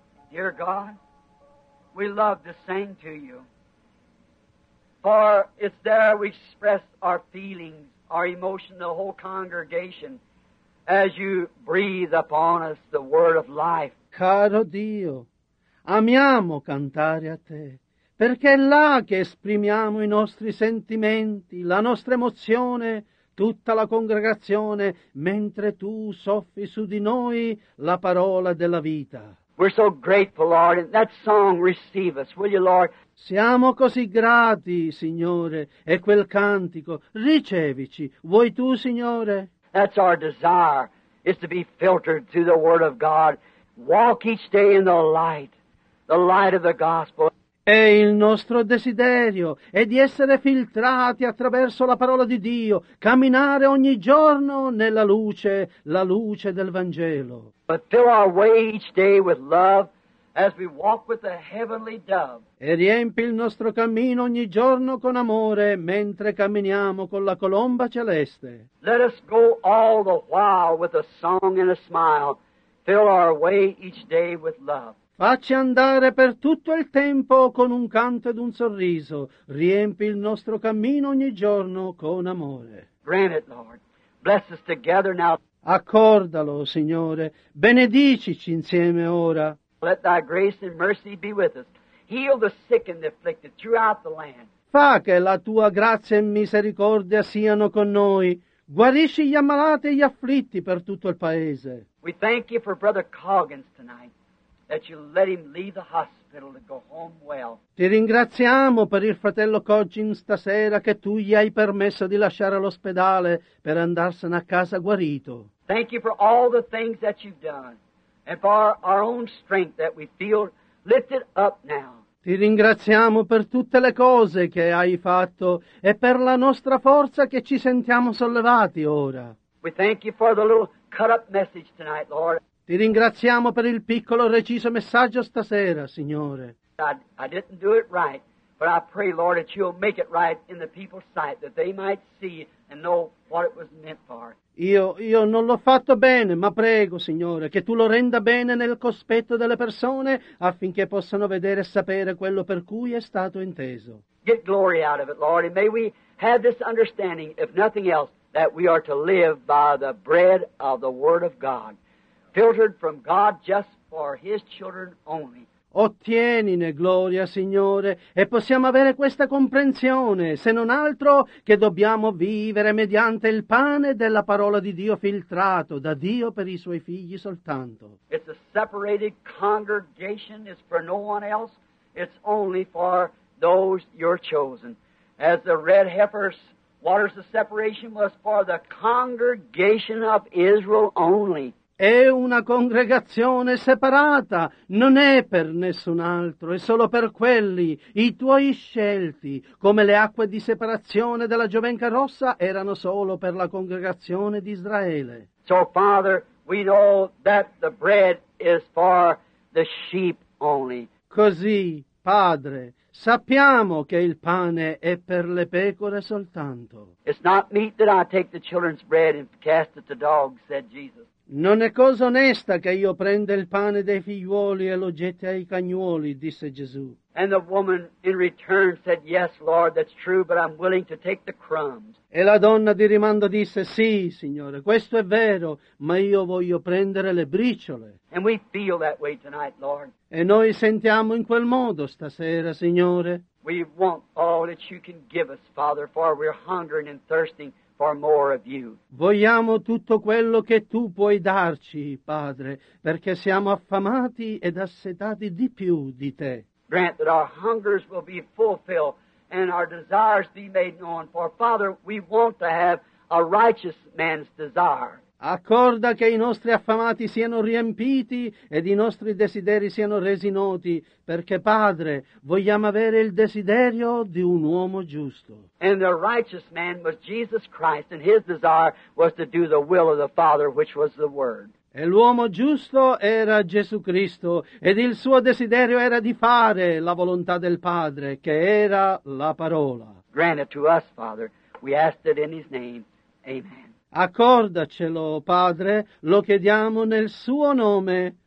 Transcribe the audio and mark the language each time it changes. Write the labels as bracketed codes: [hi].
[en] Dear God, we love to sing to you, for it's there we express our feelings, our emotion, the whole congregation, as you breathe upon us the word of life. [it] Caro Dio, amiamo cantare a te, perché è là che esprimiamo i nostri sentimenti, la nostra emozione, tutta la congregazione, mentre tu soffi su di noi la parola della vita. [en] We're so grateful, Lord, and that song, receive us, will you, Lord? [it] Siamo così grati, Signore, e quel cantico, ricevici, vuoi tu, Signore? [en] That's our desire, is to be filtered through the Word of God. Walk each day in the light of the Gospel. [it] È il nostro desiderio, è di essere filtrati attraverso la parola di Dio, camminare ogni giorno nella luce, la luce del Vangelo. [en] But fill our way each day with love as we walk with the heavenly dove. [it] E riempi il nostro cammino ogni giorno con amore mentre camminiamo con la colomba celeste. [en] Let us go all the while with a song and a smile. Fill our way each day with love. [it] Facci andare per tutto il tempo con un canto ed un sorriso. Riempi il nostro cammino ogni giorno con amore. [en] Grant it, Lord. Bless us together now. [it] Accordalo, Signore. Benedicici insieme ora. [en] Let thy grace and mercy be with us. Heal the sick and the afflicted throughout the land. [it] Fa che la tua grazia e misericordia siano con noi. Guarisci gli ammalati e gli afflitti per tutto il paese. [en] We thank you for Brother Coggins tonight. That you let him leave the hospital to go home well. [it] Ti ringraziamo per il fratello Coggins stasera che tu gli hai permesso di lasciare l'ospedale per andarsene a casa guarito. [en] Thank you for all the things that you've done and for our own strength that we feel lifted up now. [it] Ti ringraziamo per tutte le cose che hai fatto e per la nostra forza che ci sentiamo sollevati ora. [en] We thank you for the little cut up message tonight, Lord. [it] Ti ringraziamo per il piccolo reciso messaggio stasera, Signore. [en] I didn't do it right, but I pray, Lord, that you'll make it right in the people's sight, that they might see and know what it was meant for. [it] Io non l'ho fatto bene, ma prego, Signore, che tu lo renda bene nel cospetto delle persone affinché possano vedere e sapere quello per cui è stato inteso. [en] Get glory out of it, Lord, and may we have this understanding, if nothing else, that we are to live by the bread of the Word of God. Filtered from God just for His children only. [it] Ottienine gloria, Signore, e possiamo avere questa comprensione, se non altro che dobbiamo vivere mediante il pane della parola di Dio filtrato da Dio per i Suoi figli soltanto. [en] It's a separated congregation, it's for no one else, it's only for those you're chosen. As the red heifer's waters of separation was for the congregation of Israel only. [it] È una congregazione separata, non è per nessun altro, è solo per quelli, i tuoi scelti, come le acque di separazione della giovenca rossa erano solo per la congregazione di Israele. [en] So, Father, we know that the bread is for the sheep only. [it] Così, Padre, sappiamo che il pane è per le pecore soltanto. [en] It's not meat that I take the children's bread and cast it to dogs, said Jesus. [it] Non è cosa onesta che io prenda il pane dei figliuoli e lo getti ai cagnuoli, disse Gesù. [en] And the woman in return said, yes, Lord, that's true, but I'm willing to take the crumbs. [it] E la donna di rimando disse, sì, Signore, questo è vero, ma io voglio prendere le briciole. [en] And we feel that way tonight, Lord. [it] E noi sentiamo in quel modo stasera, Signore. [en] We want all that you can give us, Father, for we're hungering and thirsting. For more of you. [it] Vogliamo tutto quello che tu puoi darci, Padre, perché siamo affamati ed assetati di più di te. [en] Grant that our hungers will be fulfilled and our desires be made known. For Father, we want to have a righteous man's desire. [it] Accorda che i nostri affamati siano riempiti ed i nostri desideri siano resi noti, perché, Padre, vogliamo avere il desiderio di un uomo giusto. [en] And the righteous man was Jesus Christ, and his desire was to do the will of the Father, which was the Word. [it] E l'uomo giusto era Gesù Cristo, ed il suo desiderio era di fare la volontà del Padre, che era la parola. [en] Grant it to us, Father. We ask it in his name. Amen. [it] Accordacelo, Padre, lo chiediamo nel suo nome.